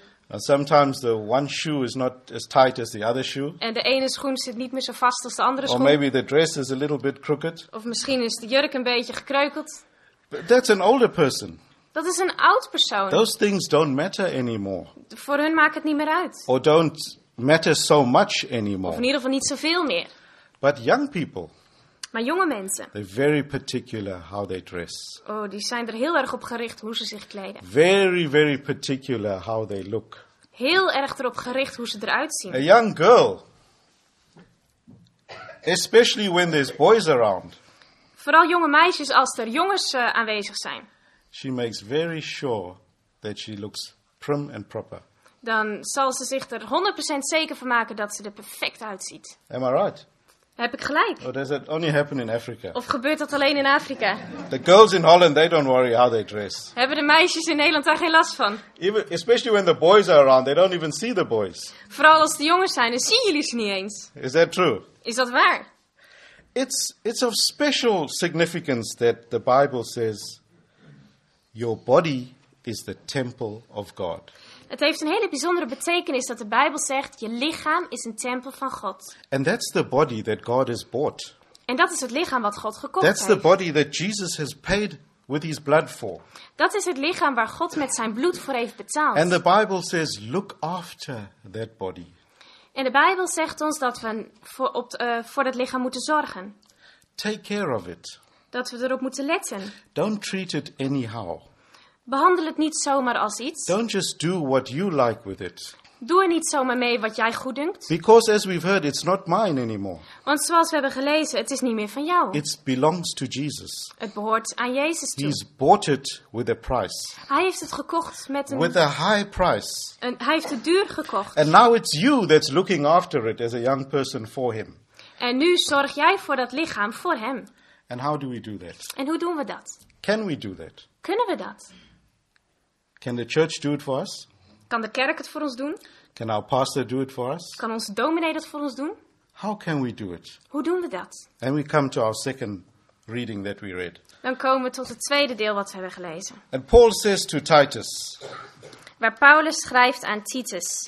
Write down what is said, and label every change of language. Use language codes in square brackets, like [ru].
[en] And sometimes the one shoe is not as tight as the other shoe. [nl] En de ene schoen zit niet meer zo vast als de andere [en] or [nl] schoen. [en] Or maybe the dress is a little bit crooked. [nl] Of misschien is de jurk een beetje gekreukeld. [en] But that's an older person. [nl] Dat is een oud persoon. [en] Those things don't matter anymore. [nl] Voor hun maakt het niet meer uit. [en] Or don't matter so much anymore. [nl] Of in ieder geval niet zoveel meer. [en] But young people. [nl] Maar jonge mensen. [en] They're very particular how they dress. [nl] Oh, die zijn er heel erg op gericht hoe ze zich kleden. [en] Very, very particular how they look. [nl] Heel erg erop gericht hoe ze eruit zien. [en] A young girl. Especially when there's boys around. [nl] Vooral jonge meisjes als er jongens aanwezig zijn. [en] She makes very sure that she looks prim and proper. [nl] Dan zal ze zich er 100% zeker van maken dat ze er perfect uitziet. [en] Am I right? [nl] Heb ik gelijk? [en] Or does that only happen in Africa? [nl] Of gebeurt dat alleen in Afrika? [en] The girls in Holland, they don't worry how they dress. [nl] Hebben de meisjes in Nederland daar geen last van? [en] Even, especially when the boys are around, they don't even see the boys. [nl] Vooral als de jongens zijn, dan zien jullie ze niet eens. [en] Is that true? [nl] Is dat waar? [en] It's of special significance that the Bible says your body is the temple of God. [nl] Het heeft een hele bijzondere betekenis dat de Bijbel zegt, je lichaam is een tempel van God. [en] And that's the body that God has bought. [nl] En dat is het lichaam wat God gekocht heeft. [en] That's the body that Jesus has paid with his blood for. [nl] Dat is het lichaam waar God met zijn bloed voor heeft betaald. [en] And the Bible says, look after that body. [nl] En de Bijbel zegt ons dat we voor het lichaam moeten zorgen. [en] Take care of it. [nl] Dat we erop moeten letten. [en] Don't treat it anyhow. [nl] Behandel het niet zomaar als iets. [en] Don't just do what you like with it. [nl] Doe er niet zomaar mee wat jij goed denkt. [en] Because as we've heard, it's not mine anymore. [nl] Want zoals we hebben gelezen, het is niet meer van jou. [en] It belongs to Jesus. [nl] Het behoort aan Jezus toe. [en] He's bought it with a price. [nl] Hij heeft het gekocht met een. [en] With a high price. [nl] En hij heeft het duur gekocht. [en] And now it's you that's looking after it as a young person for him. [nl] En nu zorg jij voor dat lichaam voor hem. [en] And how do we do that? [nl] En hoe doen we dat? [en] Can we do that? [nl] Kunnen we dat? [en] Can the church do it for us? [nl] Kan de kerk het voor ons doen? [en] Can our pastor do it for us? [nl] Kan onze dominee dat voor ons doen? [en] How can we do it? [nl] Hoe doen we dat? [en] And we come to our second reading that we read. [nl] Dan komen we tot het tweede deel wat we hebben gelezen. [en] And Paul says to Titus. [nl] Waar Paulus schrijft aan Titus.